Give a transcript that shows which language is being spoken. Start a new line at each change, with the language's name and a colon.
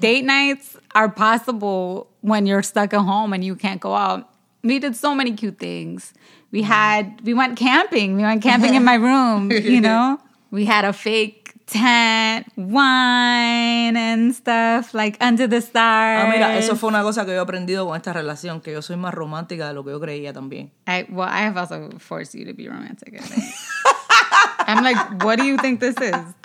English: date nights are possible when you're stuck at home and you can't go out. We did so many cute things. We went camping in my room, you know, we had a fake tent, wine and stuff, like under the stars.
Spanish: Ah, mira, eso fue una cosa que yo he aprendido con esta relación, que yo soy más romántica de lo que yo creía también.
English: I have also forced you to be romantic. I'm like, what do you think this is?